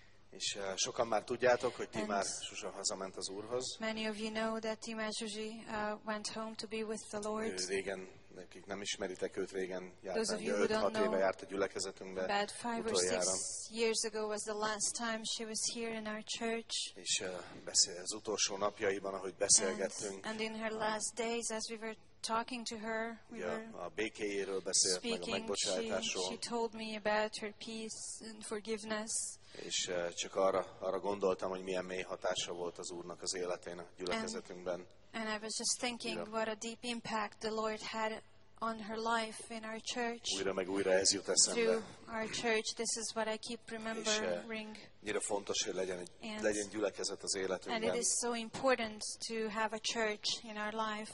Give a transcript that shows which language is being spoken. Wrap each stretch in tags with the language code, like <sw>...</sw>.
<hu>És sokan már tudjátok, hogy Timár Zsuzsa hazament az Úrhoz.</hu> <en>Many of you know that Timár Zsuzsi went home to be with the Lord.</en> <hu>Akik nem ismeritek őt, régen járt, 5-6 éve járt a gyülekezetünkbe.</hu> <en>About 5 or 6 years ago was the last time she was here in our church.</en> <hu>És az utolsó napjaiban, ahogy beszélgettünk.</hu> <en>And in her last days, as we were talking to her, we were</en> <hu>a békéjéről beszélt,</hu> <en>speaking,</en> <hu>meg a megbocsátásról.</hu> <en>She told me about her peace and forgiveness.</en> <hu>És csak arra gondoltam, hogy milyen mély hatása volt az Úrnak az életén a gyülekezetünkben.</hu> <en>And I was just thinking what a deep impact the Lord had on her life in our church.</en> <hu>Újra meg újra ez jut eszembe.</hu> <en>Through our church, this is what I keep remembering.</en> <hu>Annyira fontos, hogy legyen gyülekezet az életünkben.</hu> <en>And it is so important to have a church in our life.</en>